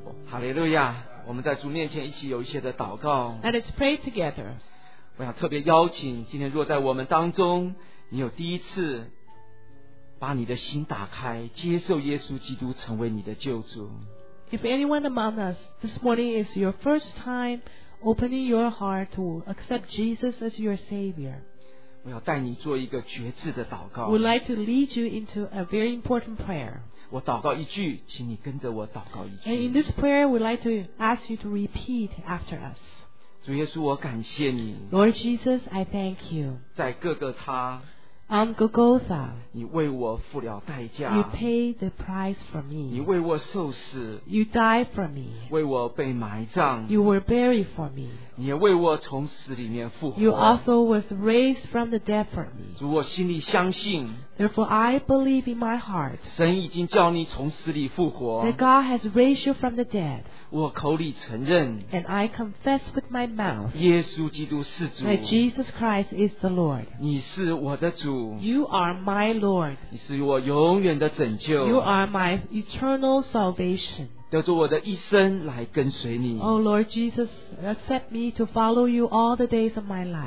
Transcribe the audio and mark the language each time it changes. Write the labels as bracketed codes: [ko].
[zh] 哈利路亚，我们在主面前一起有一些的祷告。 [en] Let us pray together. [zh] 我想特别邀请今天若在我们当中你有第一次把你的心打开，接受耶稣基督成为你的救主。 [en] If anyone among us this morning is your first time opening your heart to accept Jesus as your Savior, [zh] 我要带你做一个决志的祷告。 [en] We'd like to lead you into a very important prayer. [zh] 我祷告一句，请你跟着我祷告一句。 [en] And in this prayer, we'd like to ask you to repeat after us. [zh] 主耶稣，我感谢你。 [en] Lord Jesus, I thank you. [zh] 在各个他。 [en] On Golgotha. [zh] 你为我付了代价。 [en] You paid the price for me. [zh] 你为我受死。 [en] You died for me. [zh] 为我被埋葬。 [en] You were buried for me. [zh] 你也为我从死里面复活。 [en] You also was raised from the dead for me. [zh] 主，我心里相信。 [en] Therefore, I believe in my heart. [zh] 神已经叫你从死里复活。 [en] That God has raised you from the dead. [zh] 我口里承认。 [en] And I confess with my mouth. [zh] 耶稣基督是主。 [en] That Jesus Christ is the Lord. [zh] 你是我的主。 [en] You are my Lord. [zh] 你是我永远的拯救。 [en] You are my eternal salvation. [zh] 得着我的一生来跟随你。 [en] Oh Lord Jesus, accept me to follow you all the days of my life.